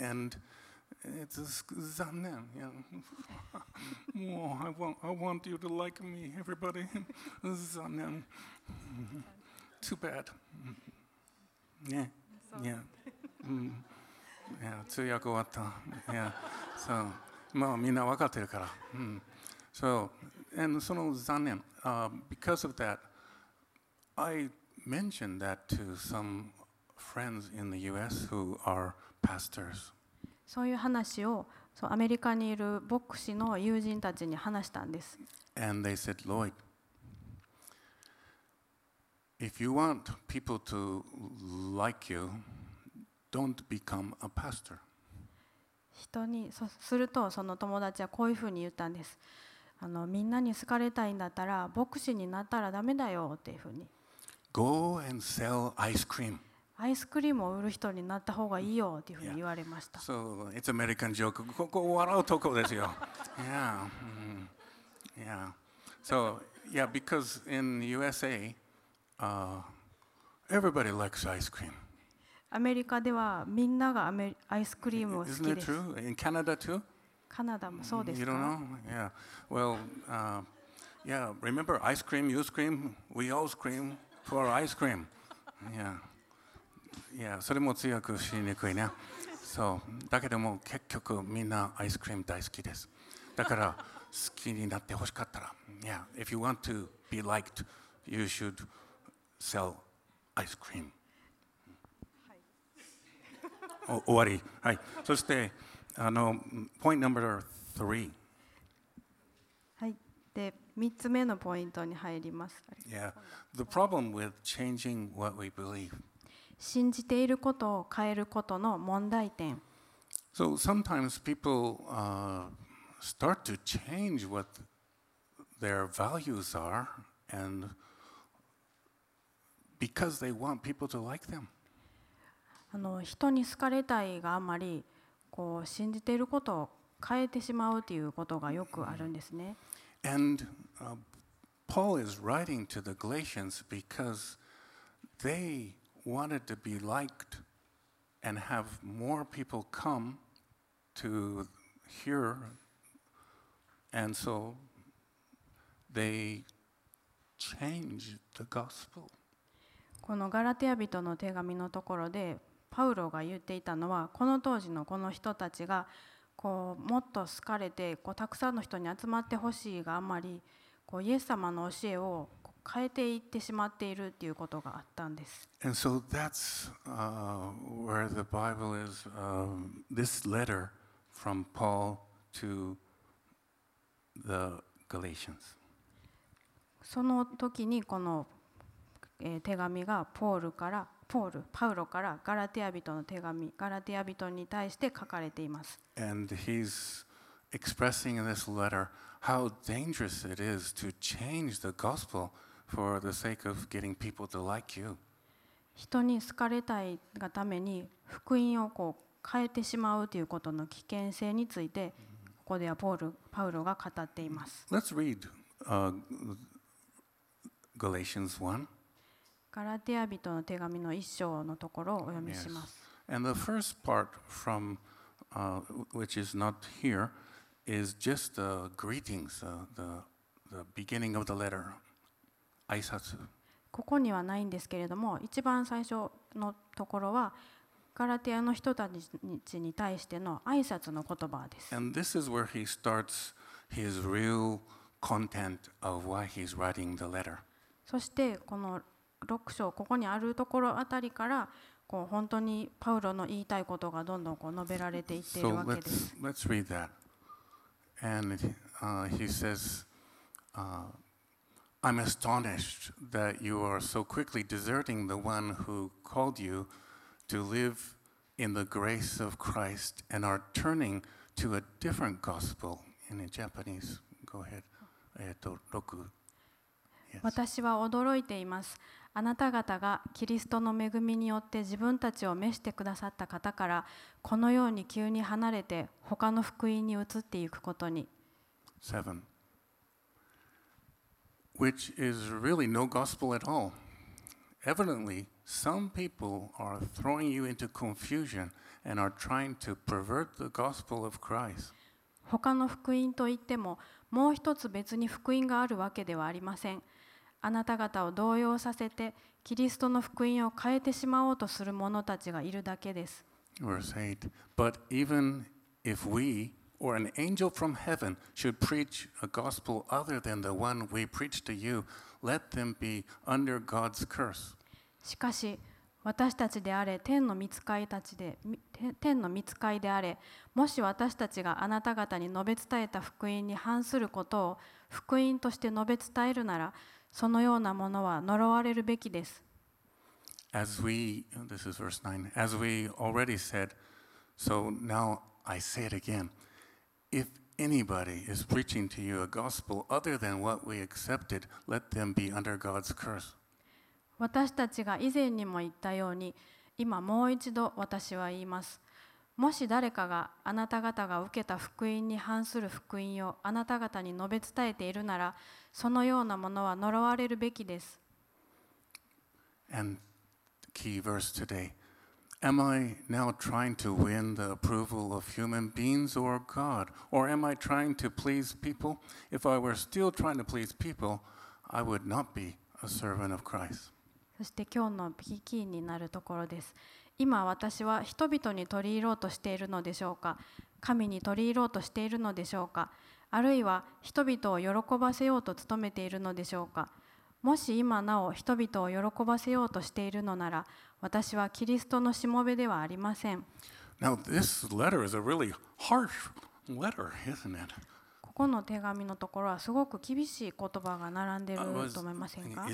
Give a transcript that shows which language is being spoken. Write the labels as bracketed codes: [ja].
[en] And it's 残念。Yeah. Oh, I want you to like me, everybody. 残念。Too bad. Yeah. Yeah. [ja] Yeah, 通訳終わった。 Yeah. So, まあみんな分かってるから。 Mm. [en] So, and [ja] その残念。 [en] Because of that, I mentioned that to some friends in the U.S. who are pastors. [ja] そういう話をそうアメリカにいる牧師の友人たちに話したんです。 [en] And they said, Lloyd, if you want people to like you,Don't become a pastor. [ja] 人にするとその友達はこういうふうに言ったんです。みんなに好かれたいんだったら牧師になったらダメだよっていうふうに。 [en] Go and sell ice cream. [ja] アイスクリームを売る人になった方がいいよっていうふうに言われました。 [en] Yeah. So it's American joke. [ja] ここ笑うとこですよ。Yeah. Yeah. [en] So yeah, because in USA, everybody likes ice cream. [ja] アメリカではみんながアイスクリームを好きです。 [en] Isn't that true? In Canada too? [ja] カナダもそうですか。 [en] You don't know? Yeah. Well, yeah. Remember, ice cream, you scream, we all scream for ice cream. Yeah. [ja] いや、それも強く知りにくいね。そう。だけども結局みんなアイスクリーム大好きです。だから好きになってほしかったら、 [en] Yeah, if you want to be liked, you should sell ice cream. [ja] はい。終わり。はい。そしてあのポイント [en] number three。 [ja] はい。で三つ目のポイントに入ります。 [en] Yeah, the problem with changing what we believe。 [ja] 信じていることを変えることの問題点。 [en] So sometimes people start to change what their values are, and because they want people to like them. [ja] あの人に好かれたいがあまりこう信じていることを変えてしまうということがよくあるんですね。 [en] And Paul is writing to the Galatians because they wanted to be liked and have more people come to hear. And so they changed the gospel. [ja] このガラテヤ人の手紙のところでパウロが言っていたのは、この当時のこの人たちがこうもっと好かれてこうたくさんの人に集まってほしいがあまりこうイエス様の教えを変えていってしまっているということがあったんです。 [en] And so that's where the Bible is. This letter from Paul to The Galatians. [ja] その時にこの手紙がパウロからガラテヤ人の手紙、ガラテヤ人に対して書かれています。 [en] And he's expressing in this letter how dangerous it is to change the gospel for the sake of getting people to like you. [ja] 人に好かれたいがために福音をこう変えてしまうということの危険性について。ここではパウロが語っています。 [en] Let's read Galatians 1. [ja] ガラテヤ人の手紙の1章のところをお読みします。 [en] Yes. And the first part from which is not here is just the greetings, the beginning of the letter, 挨拶。 [ja] ここにはないんですけれども、一番最初のところはガラテヤの人たちに対しての挨拶の言葉です。 [en] And this is where he starts his real content of why he's writing the letter. [ja] そしてこの6章ここにあるところあたりからこう本当にパウロの言いたいことがどんどんこう述べられていっているわけです。 [en] So let's read that. And he says, I'm astonished that you are so quickly deserting the one who called you. To live in the grace of Christ and are turning to a different gospel. In Japanese, go ahead. [ja] 六。私は驚いています。あなた方がキリストの恵みによって自分たちを召してくださった方からこのように急に離れて他の福音に移っていくことに。 [en] Seven. Which is really no gospel at all. Evidently. Some people are throwing you into confusion and are trying to pervert the gospel of Christ. [ja] 他の福音といっても、もう一つ別に福音があるわけではありません。あなた方を動揺させて、キリストの福音を変えてしまおうとする者たちがいるだけです。 [en] Verse 8. But even if we or an angel from heaven should preach a gospel other than the one we preach to you, let them be under God's curse. [ja] しかし私たちであれ天の御使いであれもし私たちがあなた方に述べ伝えた福音に反することを福音として述べ伝えるならそのようなものは呪われるべきです。 [en] As we, this is verse 9, as we already said, so now I say it again. If anybody is preaching to you a gospel other than what we accepted, let them be under God's curse. [ja] 私たちが以前にも言ったように、今もう一度私は言います。もし誰かがあなた方が受けた福音に反する福音をあなた方に述べ伝えているなら、そのようなものは呪われるべきです。 [en] And key verse today. Am I now trying to win the approval of human beings or God? Or am I trying to please people? If I were still trying to please people, I would not be a servant of Christ. [ja] そして今日のキーになるところです。今私は人々に取り入ろうとしているのでしょうか、神に取り入ろうとしているのでしょうか、あるいは人々を喜ばせようと努めているのでしょうか。もし今なお人々を喜ばせようとしているのなら、私はキリストのしもべではありません。 [en] Now, this letter is a really harsh letter, isn't it? [ja] ここの手紙のところはすごく厳しい言葉が並んでいると思いませんか？